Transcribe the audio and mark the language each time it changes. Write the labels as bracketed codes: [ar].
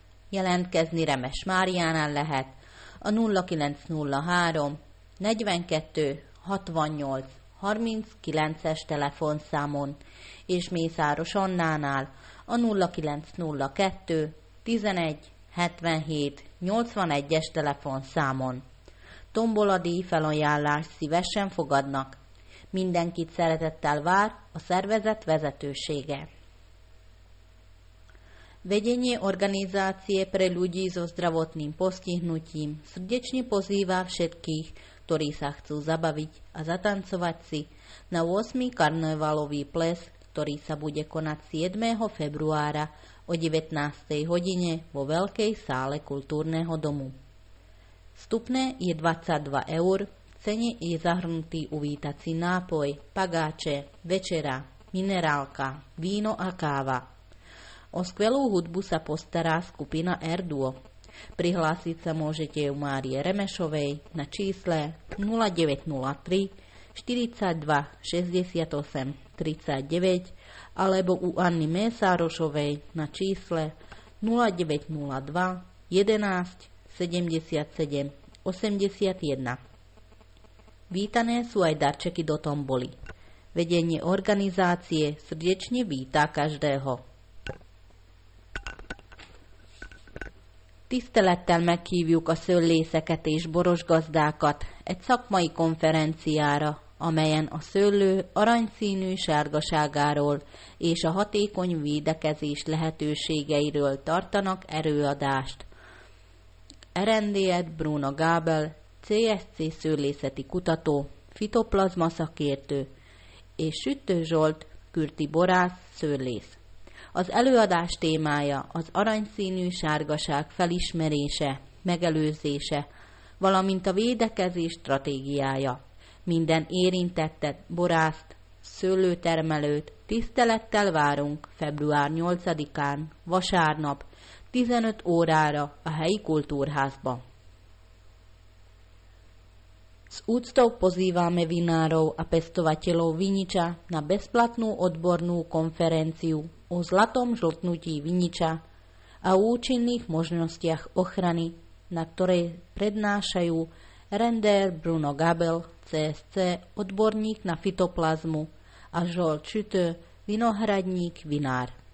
[hu] Jelentkezni Remes Máriánál lehet a 0903 42 68 39-es telefonszámon és Mészáros Annánál a 0902 11 77 81-es telefonszámon. Tombola díj felajánlást szívesen fogadnak. Mindenkit szeretettel vár a szervezet vezetősége. [sk] Vedenie organizácie pre ľudí so zdravotným postihnutím srdečne pozýva všetkých, ktorí sa chcú zabaviť a zatancovať si na 8. karnevalový ples, ktorý sa bude konať 7. februára o 19. hodine vo Veľkej sále kultúrneho domu. Vstupné je 22 eur, v cene je zahrnutý uvítací nápoj, pagáče, večera, minerálka, víno a káva. O skvelú hudbu sa postará skupina Erdúo. Prihlásiť sa môžete u Márie Remešovej na čísle 0903 42 68 39 alebo u Anny Mészárosovej na čísle 0902 11 77 81. Vítané sú aj darčeky do tomboli. Vedenie organizácie srdečne vítá každého. [hu] Tisztelettel meghívjuk a szőlészeket és borosgazdákat egy szakmai konferenciára, amelyen a szőlő aranyszínű sárgaságáról és a hatékony védekezés lehetőségeiről tartanak erőadást. R&D-et Bruno Gábel, CSC szőlészeti kutató, fitoplazma szakértő és Süttő Zsolt, kürti borász, szőlész. Az előadás témája az aranyszínű sárgaság felismerése, megelőzése, valamint a védekezés stratégiája. Minden érintettet, borászt, szőlőtermelőt tisztelettel várunk február 8-án, vasárnap, 15 órára a helyi kultúrházba. [sk] S úctou pozývame vinárov a pestovateľov viniča na bezplatnú odbornú konferenciu o zlatom žltnutí viniča a účinných možnostiach ochrany, na ktorej prednášajú Render Bruno Gabel, CSC, odborník na fitoplazmu a Žolt Čütő, vinohradník, vinár.